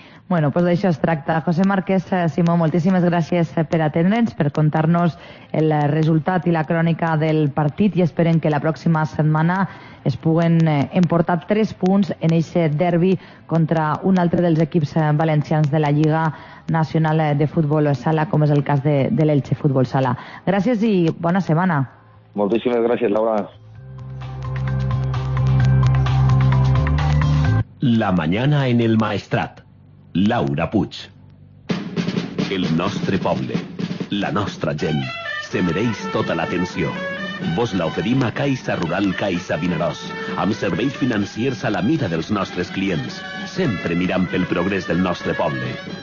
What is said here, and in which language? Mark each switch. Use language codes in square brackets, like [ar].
[ca] Bueno, pues d'això es tracta. José Márquez, Simó, moltíssimes gràcies per atendre'ns, per contar-nos el resultat i la crònica del partit, i esperem que la pròxima setmana es puguen emportar tres punts en aquest derbi contra un altre dels equips valencians de la Lliga Nacional de Futbol Sala, com és el cas de l'Elche Futbol Sala. Gràcies i bona setmana. Moltíssimes gràcies, Laura. [es] La mañana en el Maestrat. Laura Puig. [ca] El nostre poble, la nostra gent, se mereix tota l'atenció. Vos la oferim a Caixa Rural Caixa Vinaròs, amb serveis financiers a la mida dels nostres clients, sempre mirant pel progrés del nostre poble.